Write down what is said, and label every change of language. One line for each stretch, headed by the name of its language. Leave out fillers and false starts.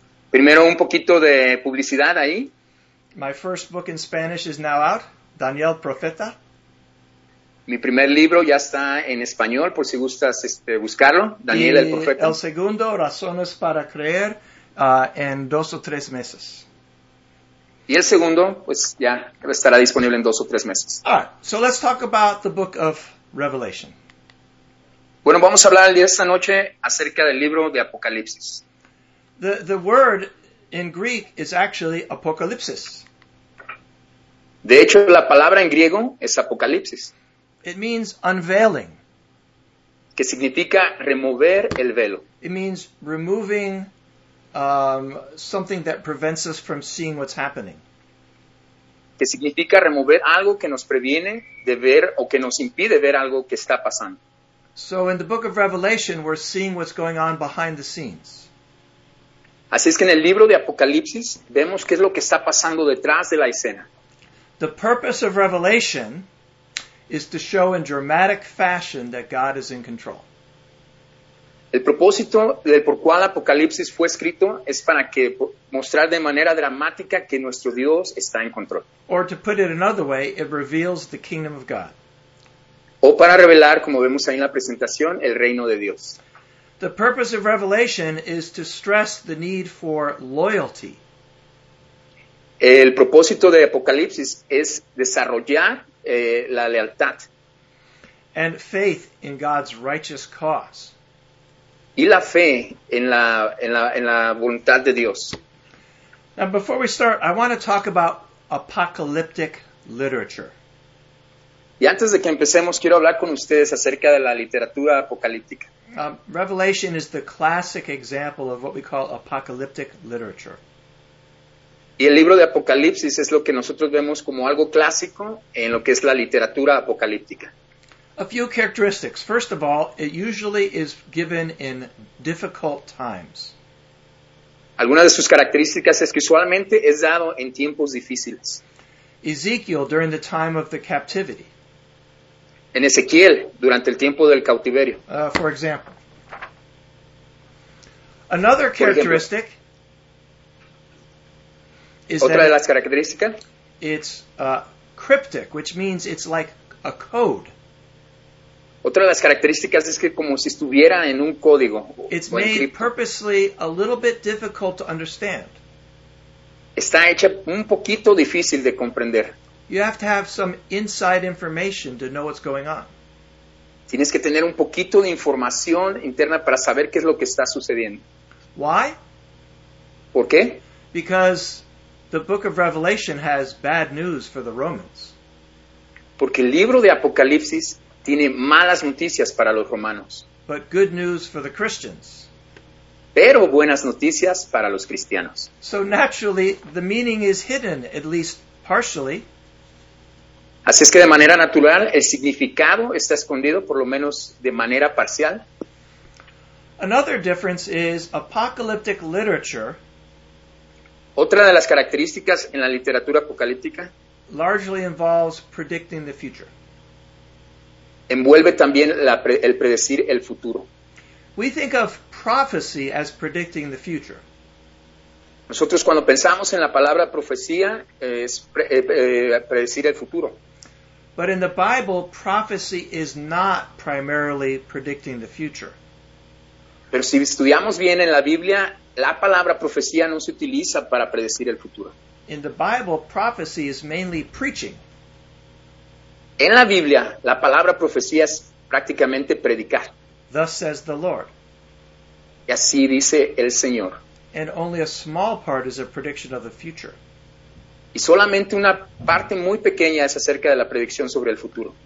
Spanish: Primero, un poquito de publicidad ahí.
English: My first book in Spanish is now out, Daniel Profeta.
Spanish: Mi primer libro ya está en español, por si gustas buscarlo, Daniel y el Profeta. El segundo, Razones para Creer, en 2 o 3 meses. Y el segundo, pues ya estará disponible en 2 o 3 meses.
English: All right, so let's talk about the book of Revelation.
Spanish: Bueno, vamos a hablar el día de esta noche acerca del libro de Apocalipsis.
English: The word in Greek is actually apocalipsis.
Spanish: De hecho, la palabra en griego es apocalipsis.
English: It means unveiling.
Spanish: Que significa remover el velo.
English: It means removing something that prevents us from seeing what's happening.
Spanish: Que significa remover algo que nos previene de ver o que nos impide ver algo que está pasando.
English: So in the book of Revelation, we're seeing what's going on behind the scenes.
Spanish: Así es que en el libro de Apocalipsis vemos qué es lo que está pasando detrás de la escena.
English: The purpose of Revelation is to show in dramatic fashion that God is in control.
Spanish: El propósito del por cual Apocalipsis fue escrito es para que mostrar de manera dramática que nuestro Dios está en control.
English: Or to put it another way, it reveals the kingdom of God.
Spanish: O para revelar, como vemos ahí en la presentación, el reino de Dios.
English: The purpose of Revelation is to stress the need for loyalty.
Spanish: El propósito de Apocalipsis es desarrollar la lealtad.
English: And faith in God's righteous cause.
Spanish: Y la fe en la voluntad de Dios.
English: Now, before we start, I want to talk about apocalyptic literature.
Spanish: Y antes de que empecemos, quiero hablar con ustedes acerca de la literatura apocalíptica.
English: Revelation is the classic example of what we call apocalyptic literature.
Spanish: Y el libro de Apocalipsis es lo que nosotros vemos como algo clásico en lo que es la literatura apocalíptica.
English: A few characteristics. First of all, it usually is given in difficult times.
Spanish: Algunas de sus características es que usualmente es dado en tiempos difíciles.
English: Ezekiel, during the time of the captivity.
Spanish: En Ezequiel, durante el tiempo del cautiverio.
English: For example. Another characteristic.
Spanish: Otra de las características.
English: It's cryptic, which means it's like a code.
Spanish: Otra de las características es que como si estuviera en un código.
English: It's made purposely a little bit difficult to understand.
Spanish: Está hecha un poquito difícil de comprender.
English: You have to have some inside information to know what's going on.
Spanish: Tienes que tener un poquito de información interna para saber qué es lo que está sucediendo.
English: Why?
Spanish: ¿Por qué?
English: Because the book of Revelation has bad news for the Romans.
Spanish: Porque el libro de Apocalipsis tiene malas noticias para los romanos.
English: But good news for the Christians.
Spanish: Pero buenas noticias para los cristianos.
English: So naturally, the meaning is hidden, at least partially.
Spanish: Así es que de manera natural, el significado está escondido, por lo menos de manera parcial.
English: Another difference is apocalyptic literature.
Spanish: Otra de las características en la literatura apocalíptica
English: largely involves predicting the future.
Spanish: Envuelve también el predecir el futuro.
English: We think of prophecy as predicting the future.
Spanish: Nosotros cuando pensamos en la palabra profecía es predecir el futuro.
English: But in the Bible, prophecy is not primarily predicting the future.
Spanish: Pero si estudiamos bien en la Biblia, la palabra profecía no se utiliza para predecir el futuro.
English: In the Bible, prophecy is mainly preaching.
Spanish: En la Biblia, la palabra profecía es prácticamente predicar.
English: Thus says the Lord.
Spanish: Y así dice el Señor.
English: And only a small part is a prediction of the future.
Spanish: Y solamente una parte muy pequeña es acerca de la predicción sobre el futuro.